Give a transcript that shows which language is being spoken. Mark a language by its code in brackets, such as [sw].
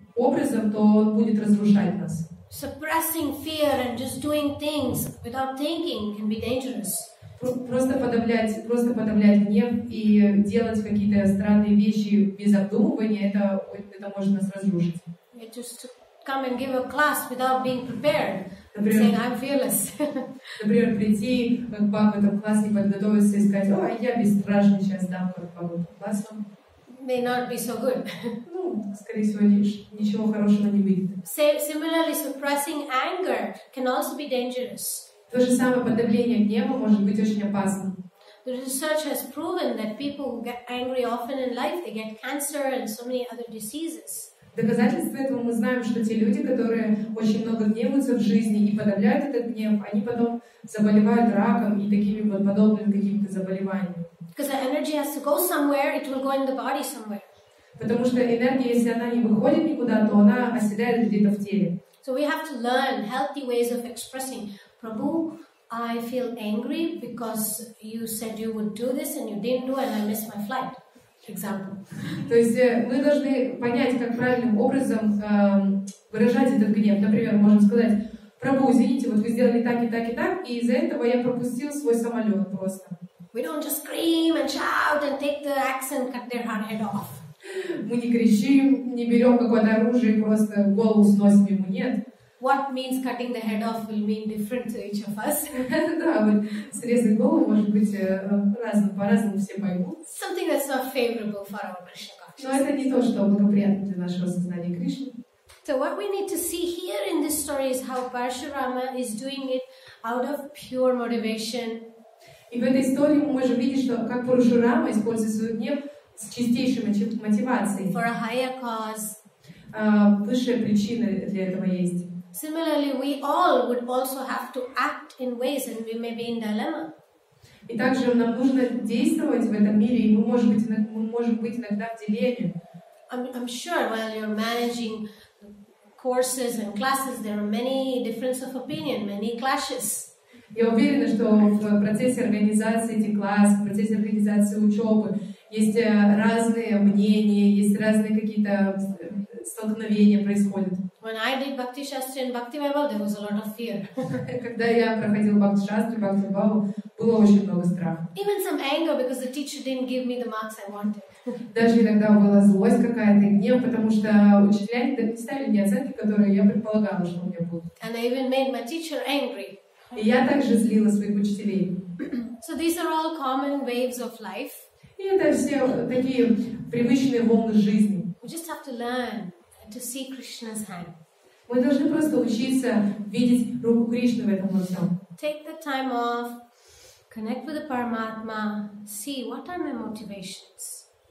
[ru] образом, то он будет разрушать нас. [en] Suppressing fear and just doing things without thinking can be dangerous. [ru] Просто подавлять гнев и делать какие-то странные вещи без обдумывания, это может нас разрушить. [en] You just come and give a class without being prepared. [ru] Например, [en] saying I'm fearless. [ru] Например, прийти к вам в этом классе, подготовиться и сказать, о, я бесстрашный сейчас дам классу. [en] May not be so good. [ru] Скорее всего, ничего хорошего не выйдет. [en] Similarly, suppressing anger can also be dangerous. [ru] То же самое, подавление гнева может быть очень опасным. [en] The research has proven that people who get angry often in life, they get cancer and so many other diseases. [ru] Доказательство этого мы знаем, что те люди, которые очень много гневаются в жизни и подавляют этот гнев, они потом заболевают раком и такими подобными какими-то заболеваниями. [en] Because the energy has to go somewhere, it will go in the body somewhere. [ru] Потому что энергия, если она не выходит никуда, то она оседает где-то в теле. [en] So we have to learn healthy ways of expressing. Prabhu, I feel angry because you said you would do this and you didn't do it and I missed my flight. Example. [ru] То есть мы должны понять, как правильным образом выражать этот гнев. Например, можем сказать, Прабу, извините, вот вы сделали так и так и так, и из-за этого я пропустил свой самолет просто. [en] We don't just scream and shout and take the axe and cut their head off. [ru] Мы не кричим, не берем какое-то оружие и просто голову сносим ему, нет. [en] What means cutting the head off will mean different to each of us. [ru] Да, вот срезать голову может быть разным, по-разному все поймут. [en] Something that's not favorable for our Krishna consciousness. [ru] Но это не то, что благоприятно для нашего сознания Кришны. [en] So what we need to see here in this story is how Parashurama is doing it out of pure motivation. [ru] И в этой истории мы можем видеть, что как Парашурама использует свой гнев с чистейшей мотивацией. [en] For a higher cause. [ru] Высшая причина для этого есть. [en] Similarly, we all would also have to act in ways and we may be in dilemma. [ru] И также нам нужно действовать в этом мире, и мы можем быть иногда в дилемме. [en] I'm sure while you're managing courses and classes, there are many differences of opinion, many clashes. [ru] Я уверена, что в процессе организации этих классов, в процессе организации учебы есть разные мнения, есть разные какие-то столкновения происходят. [en] When I did Bhakti Shastri and Bhakti Vaibhav, there was a lot of fear. [ru] Когда я проходила Бхакти Шастри, Бхакти Вайбхава, было очень много страха. [en] Even some anger because the teacher didn't give me the marks I wanted. [ru] Даже иногда была злость какая-то, гнев, потому что учителя не ставили мне оценки, которые я предполагала, что у меня будут. [en] And I even made my teacher angry. [ru] И я также злила своих учителей. [en] So these are all common waves of life. [ru] И это все такие привычные волны жизни. [en] We just have to learn to see Krishna's hand. [ru] Мы должны просто учиться видеть руку Кришны в этом всем. [en] Take the time off, connect with the Paramatma, see what are my motivations.